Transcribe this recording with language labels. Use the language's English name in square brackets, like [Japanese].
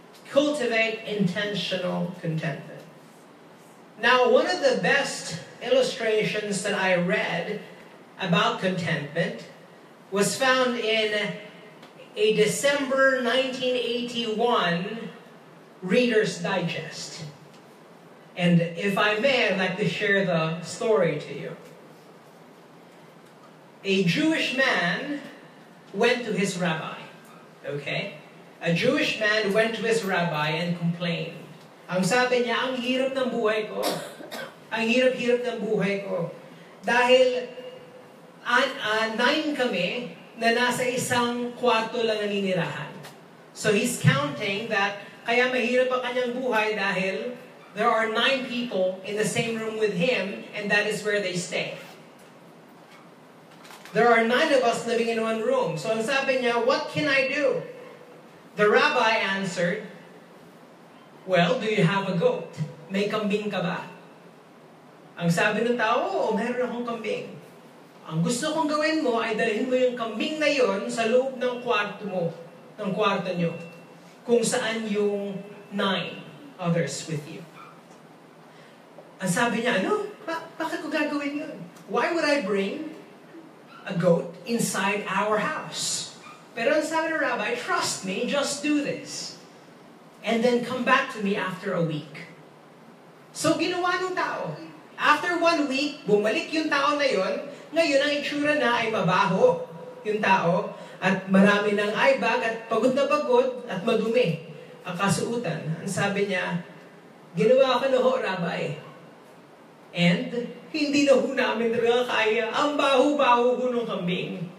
[English] Cultivate Intentional Contentment. Now, one of the best illustrations that I read about contentment was found in a December 1981 Reader's Digest. And if I may, I'd like to share the story to you. A Jewish man went to his rabbi. Okay? A Jewish man went to his rabbi and complained. [Filipino] Ang sabi niya, ang hirap ng buhay ko. Ang hirap-hirap ng buhay ko. Dahil nine kami na nasa isang kwarto lang naninirahan. [English] So he's counting that [Filipino] kaya mahirap ang kanyang buhay dahil [English] there are nine people in the same room with him and that is where they stay. There are nine of us living in one room. So [Filipino] ang sabi niya, [English] what can I do? The rabbi answered, well, do you have a goat? [Filipino] May kambing ka ba? Ang sabi ng tao, oo, meron akong kambing. Ang gusto kong gawin mo ay dalhin mo yung kambing na yon sa loob ng kwarto mo, ng kwarto nyo, kung saan yung [English] nine others with you. [Filipino] Ang sabi niya, ano? Bakit ko gagawin yun? [English] Why would I bring a goat inside our house? [Filipino] Pero ang sabi ng rabbi, [English] trust me, just do this. And then come back to me after a week. [Filipino] So ginawa ng tao. [English] After 1 week, [Filipino] bumalik yung tao na yon. Ngayon, ang itsura na ay mabaho yung tao at marami ng eye bag at pagod na pagod at madumi ang kasuutan. Ang sabi niya, ginawa ka na ho, Rabbi. And, hindi na ho namin talaga kaya. Ang baho-baho ho nung kambing.